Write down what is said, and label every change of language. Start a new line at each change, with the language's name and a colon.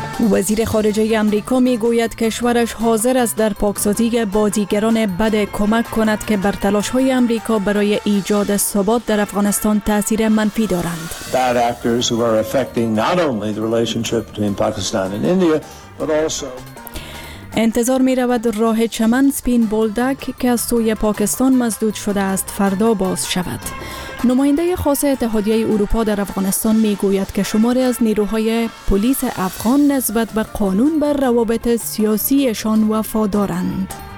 Persian: وزیر خارجه امریکا می گوید کشورش حاضر است در پاکسازی با دیگران بد کمک کند که بر تلاش های امریکا برای ایجاد ثبات در افغانستان تأثیر منفی دارند.
English: Bad actors who are affecting not only the relationship between Pakistan and India, but also
Persian: انتظار می رود راه چمن سپین بولدک که از سوی پاکستان مسدود شده است فردا باز شود. نماینده خاص اتحادیه اروپا در افغانستان می گوید که شماری از نیروهای پلیس افغان نسبت به قانون بر روابط سیاسیشان وفادارند.